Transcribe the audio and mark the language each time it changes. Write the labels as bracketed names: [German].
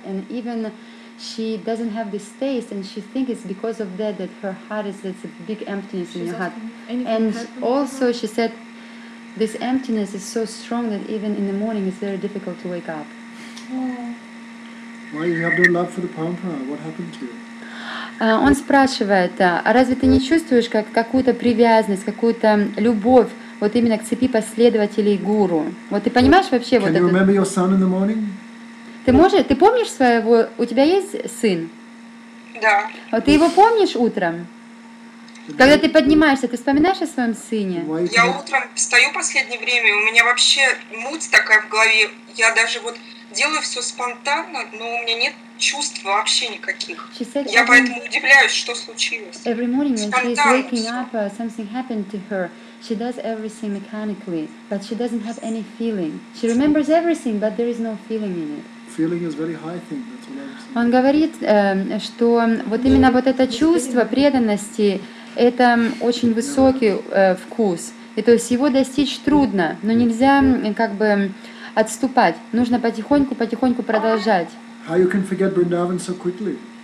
[English] And even she doesn't have this taste, and she thinks it's because of that, that her heart is a big emptiness she's in her heart. And also she said, this emptiness is so strong that even in the morning it's very difficult to wake up. Oh. Why do you have no love for the parampara? What happened to you? [Russian] Он спрашивает, а разве ты не чувствуешь как какую-то привязанность, какую-то любовь вот именно к цепи последователей гуру? Вот ты понимаешь вообще [English] can [Russian] вот это? [English] Can you remember your son in the morning? [Russian] Ты можешь? Ты помнишь своего? У тебя есть сын? Да. Вот ты его помнишь утром? Когда ты поднимаешься, ты вспоминаешь о своем сыне? Я утром встаю в последнее время, у меня вообще муть такая в голове. Я даже вот делаю все спонтанно, но у меня нет чувств вообще никаких. [English] Said, [Russian] я поэтому удивляюсь, что случилось. [English] Every morning when she is waking up, something happened to her. She does everything mechanically, but she doesn't have any feeling. She remembers everything, but there is no feeling in it. Feeling is very high thing. That's what I'm saying. [Russian] Он говорит, что вот именно вот это чувство преданности. Это очень высокий вкус. И то есть его достичь трудно, но нельзя как бы отступать. Нужно потихоньку-потихоньку продолжать. [English] How you can forget Vrindavan so quickly?